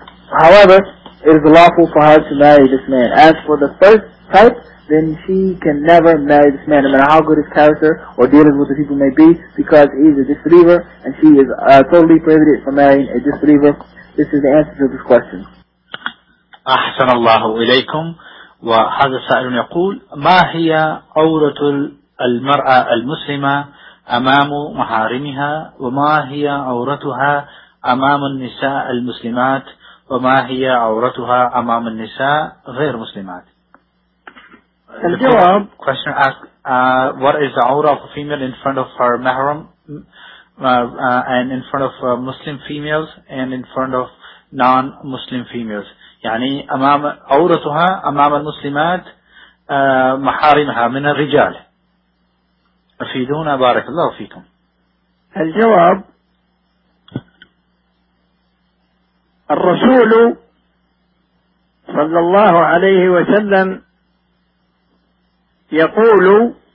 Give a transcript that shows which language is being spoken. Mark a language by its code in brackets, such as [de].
[en] However, it is lawful for her to marry this man. As for the first type, then she can never marry this man, no matter how good his character or dealing with the people may be, because he is a disbeliever, and she is totally prohibited from marrying a disbeliever. This is the answer to this question. [ar] أحسن الله إليكم. وهذا السائل يقول: ما هي عورة المرأة المسلمة أمام محارمها؟ وما هي عورتها أمام النساء المسلمات؟ وما هي عورتها أمام النساء غير مسلمات؟ الجواب. [en] Question asked: What is the aura of a female in front of her mahram and in front of Muslim females and in front of non-Muslim females? [ar] يعني أمام عورتها أمام المسلمات محارمها من الرجال. أفيدونا بارك الله فيكم. الجواب: الرسول صلى الله عليه وسلم يقول: